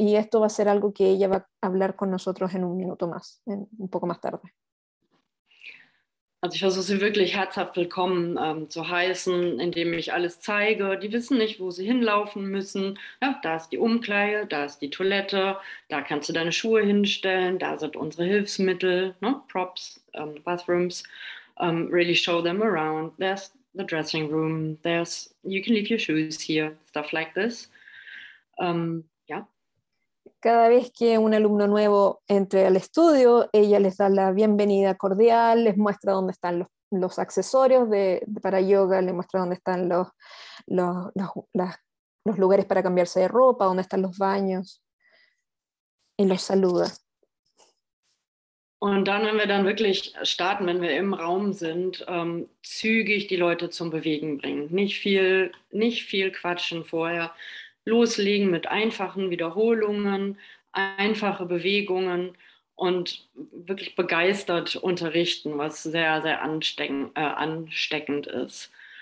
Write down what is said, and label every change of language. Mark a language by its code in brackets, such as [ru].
[es] Y esto va a ser algo que ella va a hablar con nosotros en un minuto más, un poco más tarde. [de] Also ich versuche sie wirklich herzhaft willkommen zu heißen, indem ich alles zeige. Die wissen nicht, wo sie hinlaufen müssen. Ja, da ist die Umkleide, da ist die Toilette, da kannst du deine Schuhe hinstellen, da sind unsere Hilfsmittel, ne? [en] Props, bathrooms. Really show them around. There's the dressing room, there's, you can leave your shoes here, stuff like this. [es] Cada vez que un alumno nuevo entre al estudio, ella les da la bienvenida cordial, les muestra dónde están los accesorios para yoga, les muestra dónde están los lugares para cambiarse de ropa, dónde están los baños, y los saluda. [de] Und dann, wenn wir dann wirklich starten, wenn wir im Raum sind, zügig die Leute zum Bewegen bringen. Nicht viel quatschen vorher. Loslegen mit einfachen Wiederholungen, einfache Bewegungen und wirklich begeistert unterrichten, was sehr, sehr ansteckend ist.